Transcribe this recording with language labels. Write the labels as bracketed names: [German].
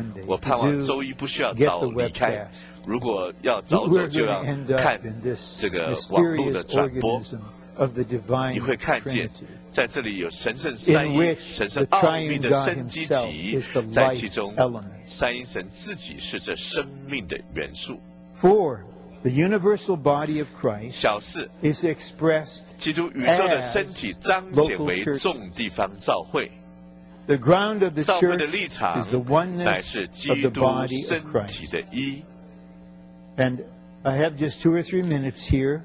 [Chinese] 我盼望周一不需要早离开。如果要早走，就要看这个网络的转播。你会看见，在这里有神圣三一、神圣奥秘的生机体在其中。三一神自己是这生命的元素。 [English] Four. The universal body of Christ is expressed as local church. [Chinese] 基督宇宙的身体彰显为众地方教会。 [English] The ground of the church is the oneness of the body of Christ. And I have just two or three minutes here.